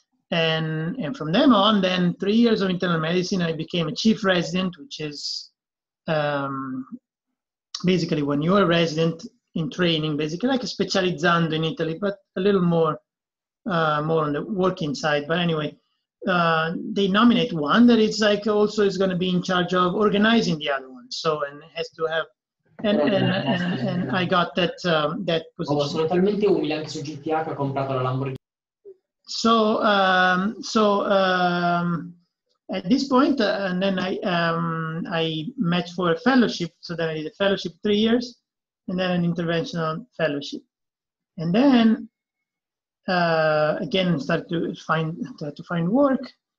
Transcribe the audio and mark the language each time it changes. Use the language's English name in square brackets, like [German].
[English] And from then on, then 3 years of internal medicine, I became a chief resident, which is basically when you're a resident in training, basically like a specializzando in Italy, but a little more more on the working side. But anyway, they nominate one that is like also is going to be in charge of organizing the other one. So and has to have. And I got that that position. [Italian] Oh, sono talmente umile anche su GTA che ho comprato la Lamborghini. [English] So at this point, and then I met for a fellowship. So then I did a fellowship 3 years, and then an interventional fellowship, and then again started to find work.